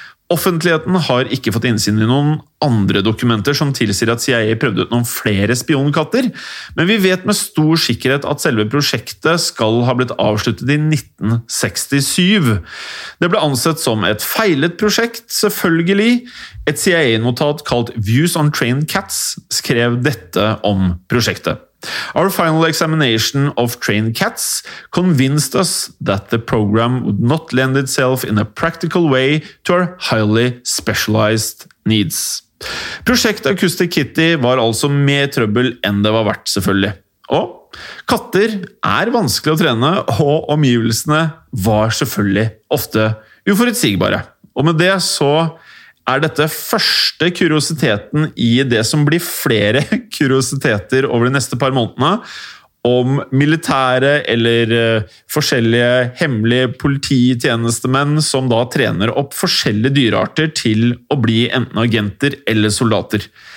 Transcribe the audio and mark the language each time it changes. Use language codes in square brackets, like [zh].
[no] Offentligheten har ikke fått innsyn i noen andre dokumenter som tilsier at CIA prøvde ut noen flere spionkatter, men vi vet med stor sikkerhet at selve prosjektet skal ha blitt avsluttet i 1967. Det ble ansett som et feilet prosjekt, selvfølgelig. Et CIA-notat kalt Views on Trained Cats skrev dette om prosjektet. [en] Our final examination of trained cats convinced us that the program would not lend itself in a practical way to our highly specialized needs. [no] Prosjekt Acoustic Kitty var altså mer trøbbel enn det var verdt, selvfølgelig. Og katter vanskelig å trene, og omgivelsene var selvfølgelig ofte uforutsigbare. Og med det så dette første kuriositeten i det som blir flere kuriositeter over de neste par månedene om militære eller forskjellige hemmelige polititjenestemenn som da trener opp forskjellige dyrearter til å bli enten agenter eller soldater.